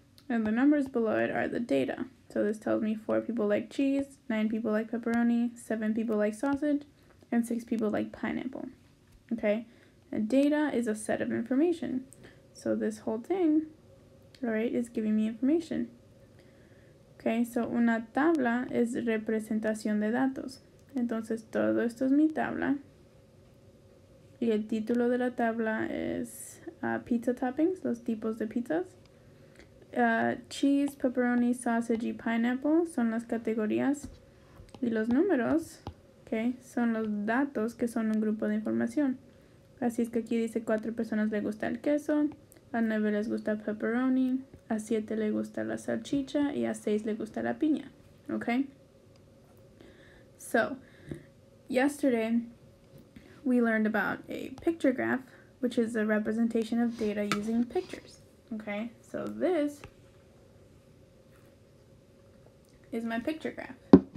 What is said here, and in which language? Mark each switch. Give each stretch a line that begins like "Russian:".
English: And the numbers below it are the data. So this tells me 4 people like cheese, 9 people like pepperoni, 7 people like sausage, and 6 people like pineapple. Okay? And data is a set of information. So this whole thing, alright, is giving me information.
Spanish: Okay, so una tabla es representación de datos. Entonces todo esto es mi tabla. Y el título de la tabla es pizza toppings, los tipos de pizzas. Cheese, pepperoni, sausage y pineapple son las categorías. Y los números, okay, son los datos que son un grupo de información. Así es que aquí dice 4 personas le gusta el queso, a 9 les gusta pepperoni, a 7 le gusta la salchicha y a 6 le gusta la piña.
English: Okay? So, yesterday we learned about a picture graph, which is a representation of data using pictures. Okay, so this is my picture graph.